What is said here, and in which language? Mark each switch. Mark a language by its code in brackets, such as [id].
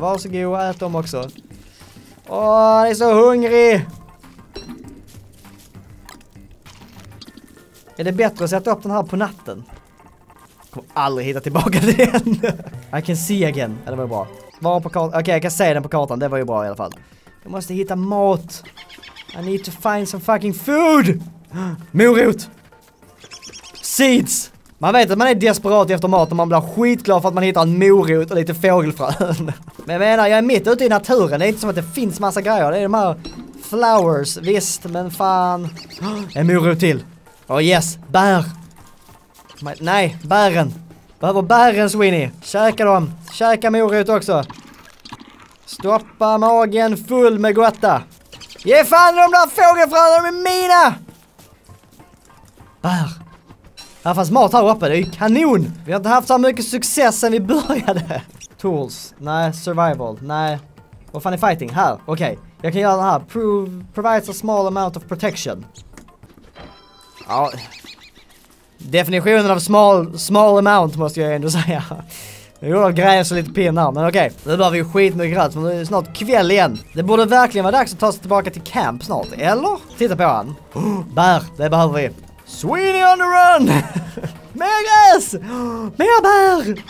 [sv] Varsågod, ät dem också. Åh, han är så hungrig. Är det bättre att sätta upp den här på natten? Jag kommer aldrig hitta tillbaka den. [en] I can see again. [sv] Ja, det var ju bra. Var på kartan. Okej, jag kan se den på kartan. Det var ju bra i alla fall. Jag måste hitta mat. [en] I need to find some fucking food. [sv] Morot. Seeds. Man vet att man är desperat efter mat och man blir skitglad för att man hittar en morot och lite fågelfrön. Men jag menar, jag är mitt ute i naturen. Det är inte som att det finns massa grejer. Det är de här flowers. Visst, men fan. En morot till. [en] Oh yes, [sv] bär! Nej, bären! Behöver bären, Sweeney! Käka dem! Käka morot också! Stoppa magen full med gotta! Ge fan de där fågelfröna, de är mina! Bär! Här fanns mat här uppe, det är ju kanon! Vi har inte haft så mycket success sen vi började! Tools, nej, survival, nej. Vad fan är fighting? Här, okej. Okay. Jag kan göra den här. [en] Provides a small amount of protection. [sv] Ja, definitionen av small amount måste jag ändå säga. Jag gjorde gräs och lite pinnar, men okej. Nu behöver vi skitmycket gräs, men det är snart kväll igen. Det borde verkligen vara dags att ta sig tillbaka till camp snart, eller? Titta på han. Bär, det behöver vi. [en] Sweeney on the run! [sv] Mer gräs! Mer bär!